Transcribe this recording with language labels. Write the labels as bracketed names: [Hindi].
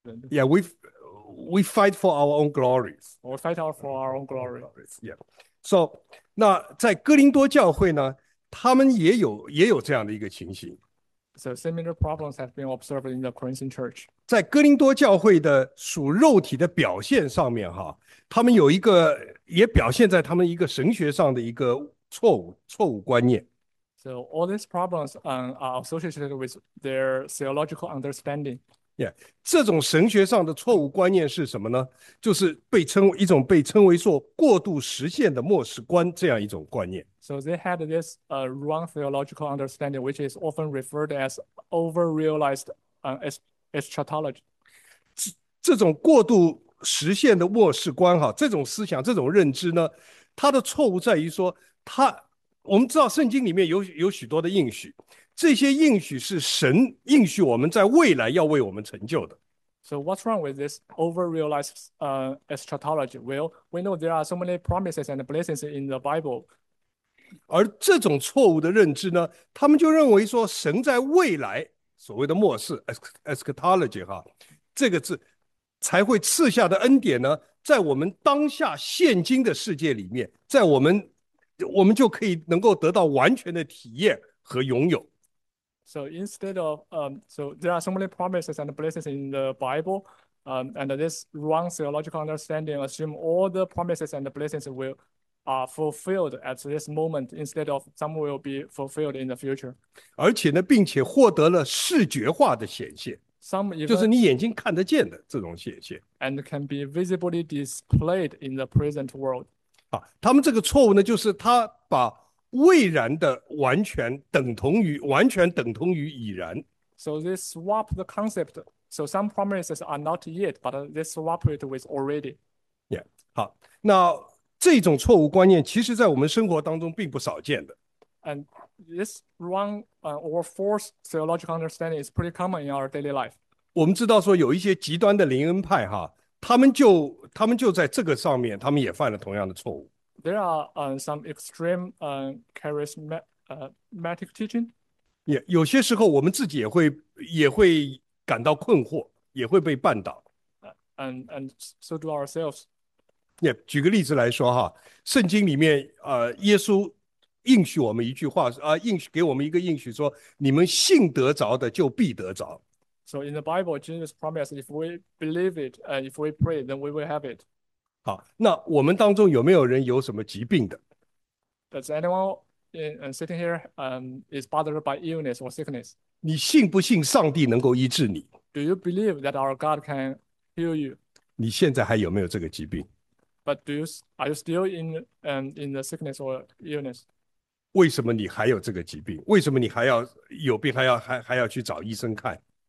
[English] Yeah, we fight for our own glories. We fight out for our own glory. Yeah. So, [Chinese] 那在哥林多教会呢，他们也有这样的一个情形。 [English] So similar problems have been observed in the Corinthian church. [Chinese] 在哥林多教会的属肉体的表现上面他们有一个也表现在他们一个神学上的一个错误观念。 [English] So all these problems are associated with their theological understanding. Yeah, [Chinese] 这种神学上的错误观念是什么呢？就是一种被称为做过度实现的末世观这样一种观念。 [English] So they had this wrong theological understanding, which is often referred as over-realized eschatology. [Chinese] 这种过度实现的末世观这种思想、这种认知呢，它的错误在于说，我们知道圣经里面有许多的应许。这些应许是神应许我们在未来要为我们成就的。 [English] So what's wrong with this over-realized eschatology? Well, we know there are so many promises and blessings in the Bible. [Chinese] 而这种错误的认知呢，他们就认为说神在未来所谓的末世 eschatology 这个字才会赐下的恩典呢，在我们当下现今的世界里面，在我们就可以能够得到完全的体验和拥有。 [English] So instead of so there are so many promises and blessings in the Bible, and this wrong theological understanding assume all the promises and the blessings will are fulfilled at this moment instead of some will be fulfilled in the future. [Chinese] 而且呢，并且获得了视觉化的显现， [English] Some [Chinese] 就 [English] even [Chinese] 是你眼睛看得见的这种显现。 [English] and can be visibly displayed in the present world. [Chinese] 他们这个错误呢，就是他把未然的完全等同于完全等同于已然。 [English] So they swap the concept. So some promises are not yet, but they swap it with already. [Chinese] 好，那这种错误观念其实在我们生活当中并不少见的。 [English] And this wrong or false theological understanding is pretty common in our daily life. [Chinese] 我们知道说有一些极端的灵恩派哈，他们就在这个上面，他们也犯了同样的错误。 [English] There are some extreme charismatic teaching. [Chinese] 有些时候我们自己也会感到困惑，也会被绊倒。 [English] And so do ourselves. [Chinese] 举个例子来说哈，圣经里面耶稣应许我们一句话，应许给我们一个应许说，你们信得着的就必得着。 [English] So in the Bible, Jesus promised if we believe it, if we pray, then we will have it. [Chinese] 好，那我们当中有没有人有什么疾病的？ [English] Does anyone sitting here is bothered by illness or sickness? [Chinese] 你信不信上帝能够医治你？ [English] Do you believe that our God can heal you? [Chinese] 你现在还有没有这个疾病？ [English] But are you still in the sickness or illness? [Chinese] 为什么你还有这个疾病？为什么你还要有病还要去找医生看？